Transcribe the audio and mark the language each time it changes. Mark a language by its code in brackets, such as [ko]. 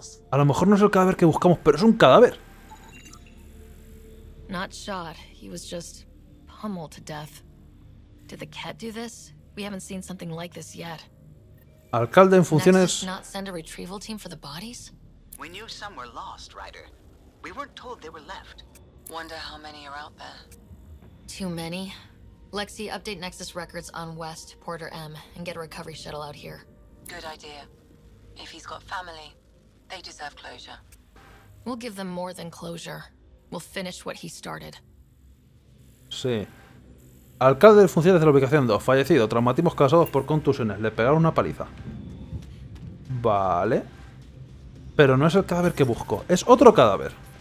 [es] A lo mejor no es el cadáver que buscamos, pero es un cadáver. [en] Not shot. He was just pummeled to death. Did the cat do this? We haven't seen something like this yet. [es] Alcalde en funciones. [en] Not send a retrieval team for the bodies? We knew some were lost, Ryder. We weren't told they were left. Wonder how many are out there. Too many. Lexi, update Nexus records on West Porter M and get a recovery shuttle out here. Good idea. If he's got family, they deserve closure. We'll give them more than closure. will finish what he started. [es] Sí. Alcalde de funciones de la ubicación 2, fallecido, traumatismos causados por contusiones, le pegaron una paliza. Vale. Pero no es el cadáver que busco, es otro cadáver.